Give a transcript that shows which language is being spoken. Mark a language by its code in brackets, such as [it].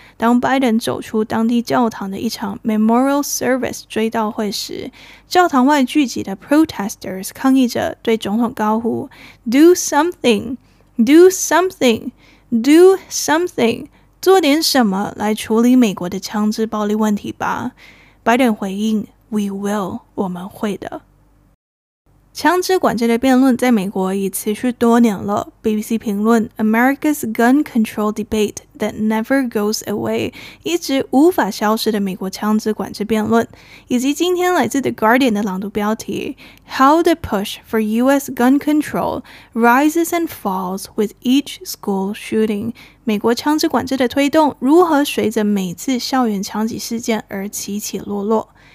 [zh] 当 Biden 走出当地教堂的一场 Memorial Service 追悼会时，教堂外聚集的 protesters 抗议者对总统高呼 ： [en] “Do something, do something, do something， [zh] 做点什么来处理美国的枪支暴力问题吧。 ”Biden 回应 ： [en] “We will， [zh] 我们会的。” 枪支管制的辩论在美国已持续多年了。 BBC 评论 [en] America's gun control debate that never goes away， [zh] 一直无法消失的美国枪支管制辩论，以及今天来自 The Guardian 的朗读标题 [en] How the push for US gun control rises and falls with each school shooting， [zh] 美国枪支管制的推动如何随着每次校园枪击事件而起起落落。